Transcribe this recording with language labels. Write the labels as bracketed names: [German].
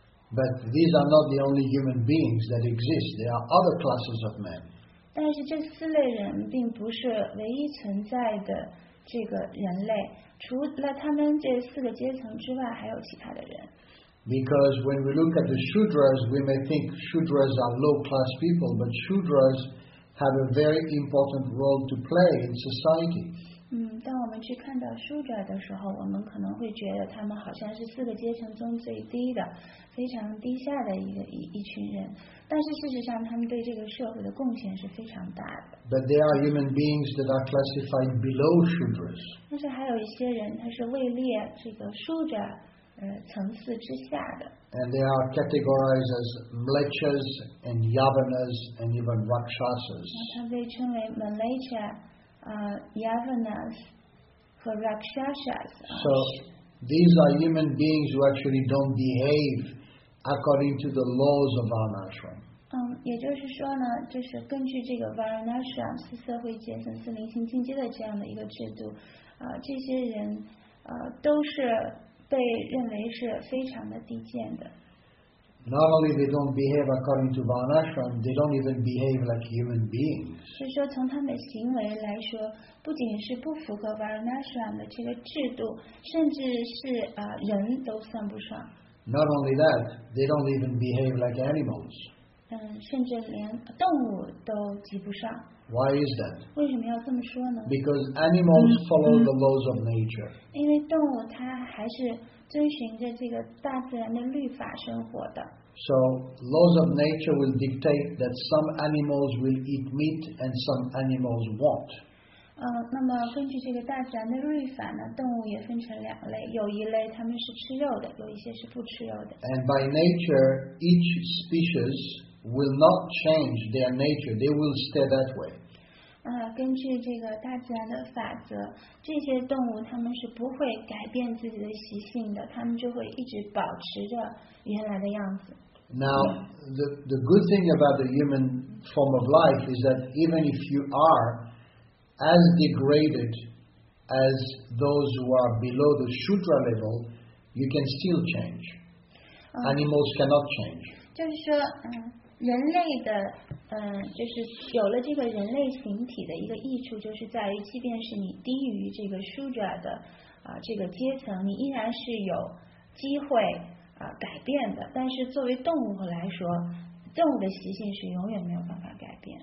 [English] But these are not the only human beings that exist. There are other classes of men. [Chinese] 但是这四类人并不是唯一存在的这个人类，除了他们这四个阶层之外，还有其他的人。 [English] Because when we look at the Shudras, we may think Shudras are low-class people, but Shudras have a very important role to play in society. [Chinese] 当我们去看到 Shudra 的时候，我们可能会觉得他们好像是四个阶层中最低的，非常低下的一群人。但是事实上，他们对这个社会的贡献是非常大的。 [English] But there are human beings that are classified below Shudras. [Chinese] 但是还有一些人，他是位列这个 Shudra 层次之下的。 [English] And they are categorized as Mlechas and Yavanas and even Rakshasas. [Chinese] 他被称为 Mlecha, Yavanas, and Rakshasas. [English] So these are human beings who actually don't behave. According to the laws of Varnashram. [Chinese] 也就是说呢，就是根据这个 Varnashram 四社会阶层四灵性进阶的这样的一个制度，这些人都是被认为是非常的低贱的。 [English] Not only they don't behave according to Varnashram, they don't even behave like human beings. [Chinese] 是说从他们的行为来说，不仅是不符合 Varnashram 的这个制度，甚至是人都算不上。 [English] Not only that, they don't even behave like animals. [Chinese] 甚至连动物都及不上。 [English] Why is that? [Chinese] 为什么要这么说呢？ [English] Because animals follow the laws of nature. [Chinese] 因为动物它还是遵循着这个大自然的律法生活的。 [English] So laws of nature will dictate that some animals will eat meat and some animals won't. [Chinese] 那么根据这个大自然的律法呢，动物也分成两类，有一类它们是吃肉的，有一些是不吃肉的。 [English] And by nature, each species will not change their nature; they will stay that way. [Chinese] 根据这个大自然的法则，这些动物它们是不会改变自己的习性的，它们就会一直保持着原来的样子。 [English] Now, the good thing about the human form of life is that even if you areas degraded as those who are below the Shudra level, you can still change. Animals cannot change. [Chinese] 就是说，人类的，就是有了这个人类形体的一个益处，就是在于，即便是你低于这个 Shudra 的，这个阶层，你依然是有机会，改变的。但是作为动物来说，动物的习性是永远没有办法改变。